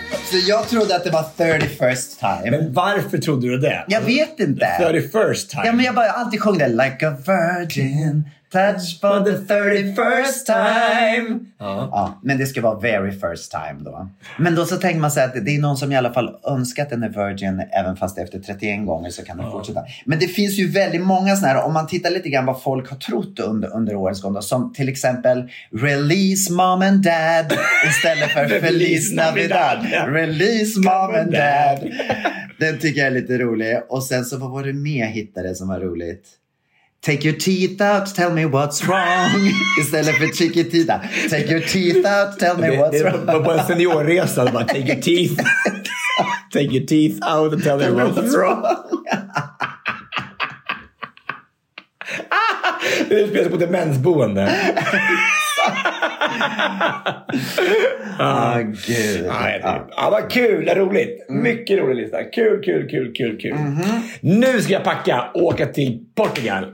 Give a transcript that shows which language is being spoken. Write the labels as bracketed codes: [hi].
[sv] Så jag trodde att det var [en] 31st time. [sv] Men varför trodde du det? Jag vet inte. [en] 31st time. [sv] Ja, men jag bara alltid sjöng det. [en] Like a virgin, touch for the 31st time. [sv] Ja. Ja, men det ska vara [en] very first time [sv] då. Men då så tänker man sig att det är någon som i alla fall önskat en virgin, även fast efter 31 gånger så kan den fortsätta. Men det finns ju väldigt många såna här, om man tittar lite grann vad folk har trott under årens gång då, som till exempel [en] release mom and dad [sv] istället för Feliz Navidad. [en] Release mom and dad. [sv] Den tycker jag är lite rolig. Och sen så vad var det med hittade som var roligt? [en] Take your teeth out, tell me what's wrong. [sv] Istället för chiquitita. [en] Take your teeth out, tell me what's wrong. [sv] På en seniorresa, bara [en] take your teeth. Take your teeth out and tell me what's wrong. [sv] Den utspelar sig på demensboende. Gud. Vad kul, det är roligt. Mycket rolig lista. Kul. Mm-hmm. Nu ska jag packa och åka till Portugal.